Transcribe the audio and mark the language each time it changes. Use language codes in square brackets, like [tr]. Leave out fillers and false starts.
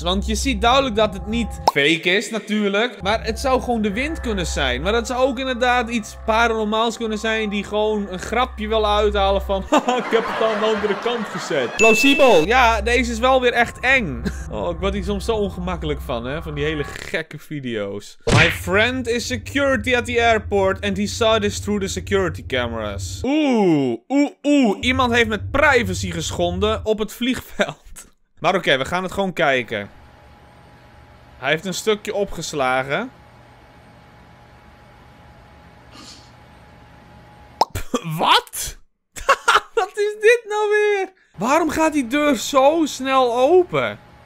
[nl] Want je ziet duidelijk dat het niet fake is natuurlijk. Maar het zou gewoon de wind kunnen zijn. Maar dat zou ook inderdaad iets paranormaals kunnen zijn die gewoon een grapje wil uithalen van... Haha, ik heb het aan de andere kant gezet. Plausibel. Ja, deze is wel weer echt eng. Oh, ik word hier soms zo ongemakkelijk van, hè. Van die hele gekke video's. [en] My friend is security at the airport and he saw this through the security cameras. [nl] Oeh, iemand heeft met privacy geschonden op het vliegveld. Maar oké, we gaan het gewoon kijken. Hij heeft een stukje opgeslagen. Wat? Wat is dit nou weer? Waarom gaat die deur zo snel open?